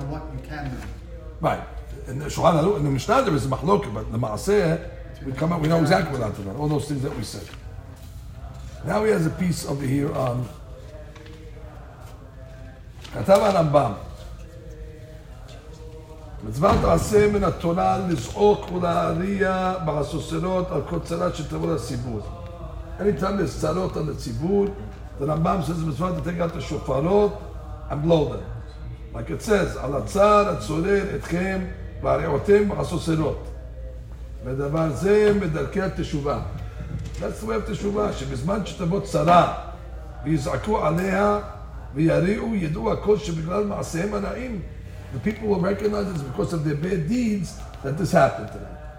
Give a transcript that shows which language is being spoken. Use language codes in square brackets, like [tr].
[en] on what you can do. Right. In the Mishnah, there is a machloket, but in the Maaseh, we come up, we know exactly what to learn, all those things that we said. Now he has a piece over here on Katav Rambam. [he] מצוות עשה מן התורה לזעוק ולהריע בחסוסרות על כל צרת שתבוא לציבור. אין לי טעם לצרות על הציבור. [en] The Rambam says, [he] מצוות לתת גם את השופרות, [en] and blow them. Like it says, [he] על הצער הצורר אתכם והריעותם בחסוסרות. ודבר זה מדרכי התשובה. [en] That's the way of תשובה, [he] שבזמן שתבוא צרה, ויזעקו עליה, ויריעו, ידעו הכל שבגלל מעשיהם הנעים, [en] the people will recognize it's because of their bad deeds that this happened to them.